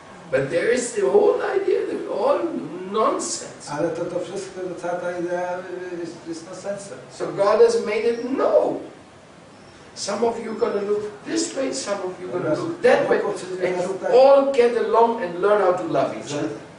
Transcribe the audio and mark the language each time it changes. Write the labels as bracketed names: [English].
[English] But there is the whole idea, the all nonsense. [Polish] Ale to wszystko, to cała idea jest nonsense. [English] So God has made it no. Some of you are going to look this way, some of you are going to look that way. And you all get along and learn how to love each other.